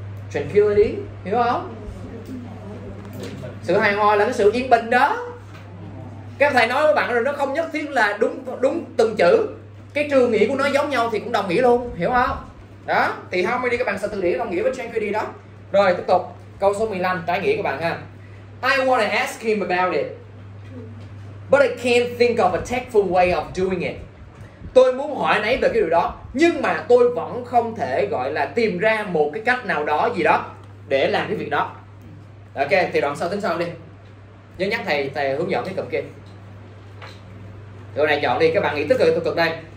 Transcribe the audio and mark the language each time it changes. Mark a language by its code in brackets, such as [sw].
[vi] Tranquility. Hiểu không? Sự hài hòa là cái sự yên bình đó. Các thầy nói với bạn rồi, nó không nhất thiết là đúng đúng từng chữ. Cái trường nghĩa của nó giống nhau thì cũng đồng nghĩa luôn, hiểu không? Đó, thì không đi các bạn sẽ từ nghĩa đồng nghĩa với tranquility đó. Rồi, tiếp tục. Câu số 15, trái nghĩa các bạn ha. [en] I wanna ask him about it. But I can't think of a tactful way of doing it. [vi] Tôi muốn hỏi anh ấy về cái điều đó, nhưng mà tôi vẫn không thể gọi là tìm ra một cái cách nào đó gì đó để làm cái việc đó. Ok, thì đoạn sau tính sau đi. Nhớ nhắc thầy hướng dẫn cái cụm kia. Câu này chọn đi, các bạn nghĩ tích cực tiêu cực đây.